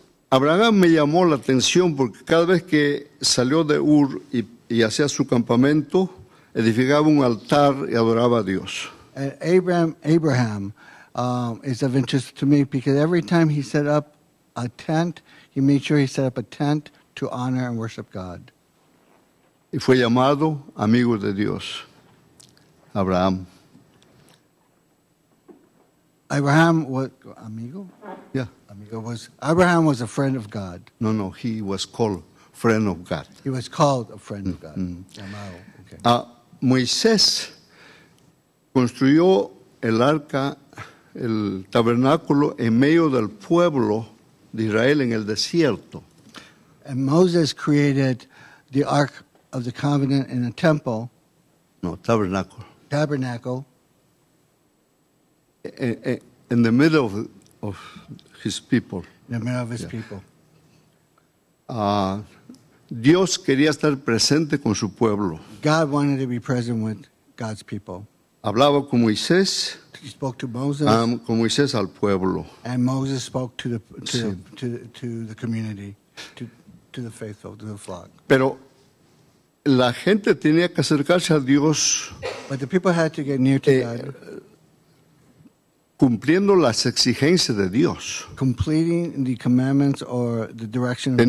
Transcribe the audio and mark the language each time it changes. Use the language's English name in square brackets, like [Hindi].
[Spanish] Abraham me llamó la atención porque cada vez que salió de Ur y hacía su campamento, edificaba un altar y adoraba a Dios. [English] And Abraham is of interest to me because every time he set up a tent, he made sure he set up a tent to honor and worship God. [Spanish] Y fue llamado amigo de Dios, Abraham. [English] Abraham was [Spanish] amigo? [English] Yeah. Abraham was a friend of God. No, he was called friend of God. He was called a friend of God. Okay. [Spanish] Moisés construyó el arca, el tabernáculo en medio del pueblo de Israel en el desierto. [English] And Moses created the Ark of the Covenant in a temple. [Spanish] No, tabernáculo. [English] Tabernacle. In the middle of his people. In the middle of his people. [Spanish] Dios quería estar presente con su pueblo. [English] God wanted to be present with God's people. [Spanish] Hablaba con Moisés. [English] He spoke to Moses. [Spanish] Con Moisés al pueblo. [English] And Moses spoke to the community, to the faithful, to the flock. [Spanish] Pero la gente tenía que acercarse a Dios. [English] But the people had to get near to God. [Spanish] Cumpliendo las exigencias de Dios. [English] Completing the commandments or the direction of God.